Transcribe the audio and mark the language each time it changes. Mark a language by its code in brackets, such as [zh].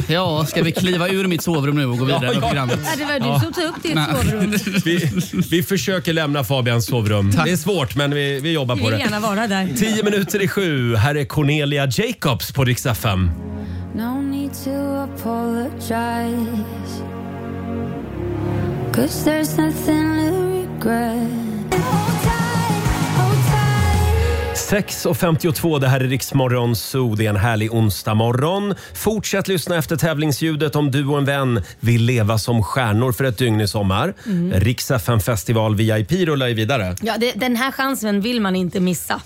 [sv] Ja, ska vi kliva ur mitt sovrum nu och gå vidare? Ja, det var du som tog upp ditt sovrum. Vi försöker lämna Fabians sovrum. Tack. Det är svårt, men vi jobbar på det. Vi vill gärna vara där. 6:50, här är Cornelia Jacobs på Rix FM. [en] No need to apologize, 'cause there's nothing to regret. [sv] 6:52, det här är Riksmorgon Zoo. Det är en härlig onsdag morgon. Fortsätt lyssna efter tävlingsljudet om du och en vän vill leva som stjärnor för ett dygn i sommar. Riks-FM Festival VIP rullar ju vidare. Ja, den här chansen vill man inte missa.